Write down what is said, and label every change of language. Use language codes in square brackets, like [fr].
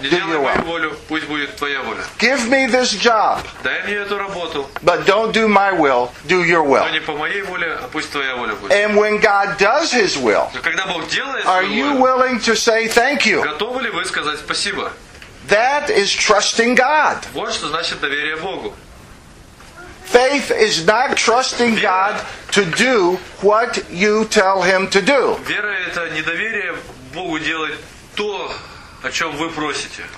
[ru] Не делай мою волю, пусть будет твоя воля. [en] Give me this job. [ru] Дай мне эту работу. [en] But don't do my will, do your will. [ru] Но не по моей воле, а пусть твоя воля будет. [en] And when God does His will, [ru] когда Бог делает свою волю, [en] are you willing to say thank you? [ru] Готовы ли вы сказать спасибо? [en] That is trusting God. [ru] Вот что значит доверие Богу. [en] Faith is not trusting God to do what you tell Him to do. [ru] Вера – это недоверие Богу делать то, о чем вы просите.